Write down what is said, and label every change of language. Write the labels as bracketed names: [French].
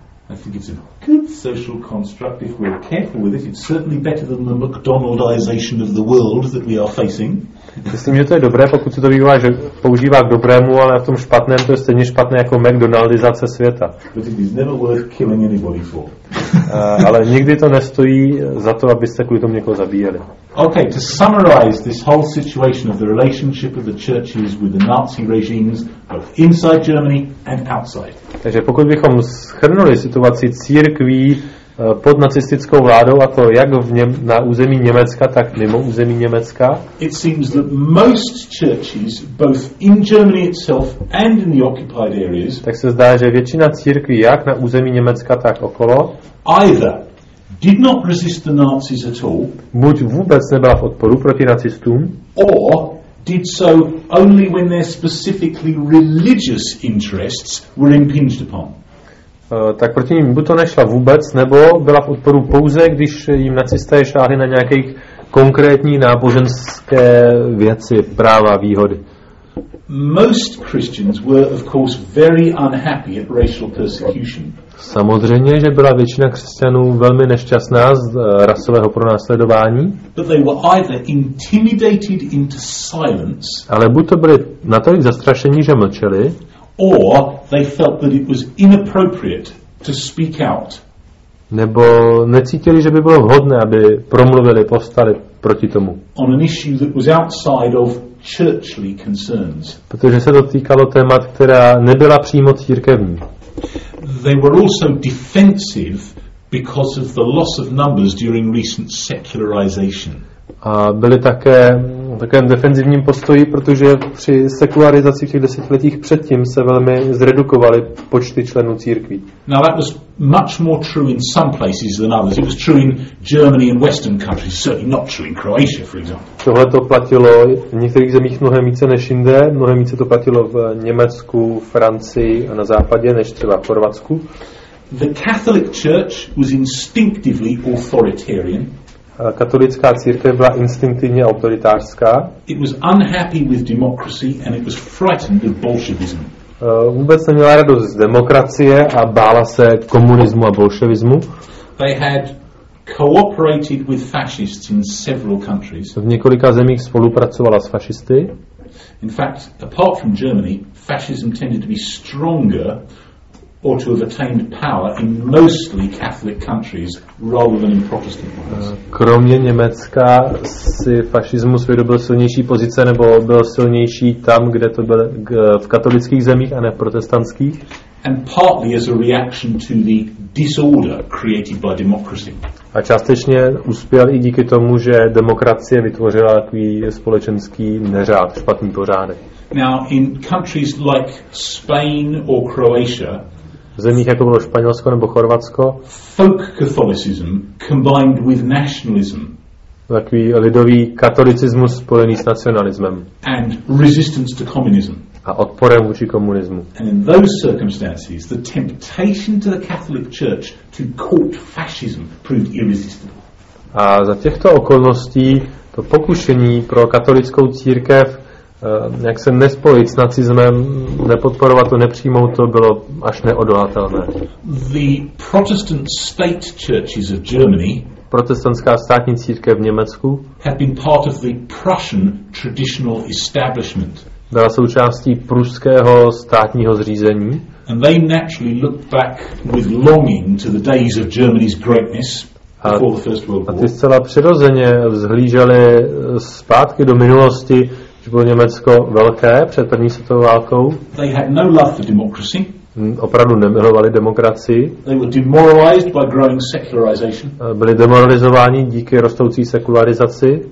[English] I think it's a good social construct if we're careful with it. It's certainly better than the McDonaldization of the world that we are facing. [Czech] Myslím, že to je dobré, pokud se to bývá, že používá k dobrému, ale v tom špatném to je stejně špatné jako McDonaldizace světa. [English] But it is never worth killing anybody for. [Czech] Ale nikdy to nestojí za to, abyste kvůli tomu někoho zabíjeli. [English] Okay, to summarize this whole situation of the relationship of the churches with the Nazi regimes, both inside Germany and outside. [Czech] Takže pokud bychom shrnuli situaci církví pod nacistickou vládou a to jak v na území Německa, tak mimo území Německa. [English] It seems that most churches, both in Germany itself and in the occupied areas, [Czech] tak se zdá, že většina církví jak na území Německa, tak okolo, [English] either did not resist the Nazis at all, [Czech] buď vůbec nebyla v odporu proti nacistům, [English] or did so only when their specifically religious interests were impinged upon. [Czech] Tak proti ním buď to nešla vůbec, nebo byla v odporu pouze, když jim nacisté šáhli na nějaké konkrétní náboženské věci, práva, výhody. [English] Most Christians were of course very unhappy at racial persecution. [Czech] Samozřejmě, že byla většina křesťanů velmi nešťastná z rasového pronásledování. [English] But they were either intimidated into silence. [Czech] Ale buď to byli natolik zastrašení, že mlčeli. [English] Or they felt that it was inappropriate to speak out. [Czech] Nebo necítili, že by bylo vhodné, aby promluvili, povstali proti tomu. [English] On an issue that was outside of churchly concerns. [Czech] Protože se to týkalo témat, která nebyla přímo církevní. [English] They were also defensive because of the loss of numbers during recent secularization. [Czech] A byli také v takovém defenzivním postoji, protože při sekularizaci v těch desetiletích předtím se velmi zredukovaly počty členů církví. [English] Now that was much more true in some places than others. It was true in Germany and Western countries, certainly not true in Croatia, for example. [Czech] Tohle to platilo v některých zemích mnohem více než jinde, mnohem více to platilo v Německu, Francii a na západě, než třeba v Chorvatsku. [English] The Catholic Church was instinctively authoritarian. [Czech] katolická církev byla instinktivně autoritářská. [English] It was unhappy with democracy and it was frightened of bolševismu. [Czech] Vůbec neměla radost z demokracie a bála se komunismu a bolševismu. [English] They had cooperated with fascists in several countries. [Czech] V několika zemích spolupracovala s fašisty. [English] In fact, apart from Germany, fascism tended to be stronger or to have attained power in mostly Catholic countries rather than in Protestant ones. [Czech] Kromě Německa si fašismus vydobil silnější pozice nebo byl silnější tam, kde to bylo v katolických zemích a ne v protestantských. [English] And partly as a reaction to the disorder created by democracy. [Czech] A částečně uspěl i díky tomu, že demokracie vytvořila takový společenský neřád, špatný pořádek. [English] Now in countries like Spain or Croatia, [Czech] v zemích jako bylo Španělsko nebo Chorvatsko, [English] folk Catholicism combined with nationalism, [Czech] takový lidový katolicismus spojený s nacionalismem [English] and resistance to communism, [Czech] a odporem vůči komunismu. [English] And in those circumstances, the temptation to the Catholic Church to court fascism proved irresistible. [Czech] A za těchto okolností to pokušení pro katolickou církev jak se nespojit s nacismem, nepodporovat to, nepřijmout to, bylo až neodolatelné. [English] The Protestant state churches of Germany, [Czech] protestantská státní církev v Německu, [English] had been part of the Prussian traditional establishment, [Czech] byla součástí pruského státního zřízení. [English] And they naturally looked back with longing to the days of Germany's greatness. [Czech] A ty zcela přirozeně vzhlíželi zpátky do minulosti, že bylo Německo velké před první světovou válkou. [English] They had no love for democracy. [Czech] Opravdu nemilovali demokracii. [English] They were demoralized by growing secularization. [Czech] Byli demoralizováni díky rostoucí sekularizaci.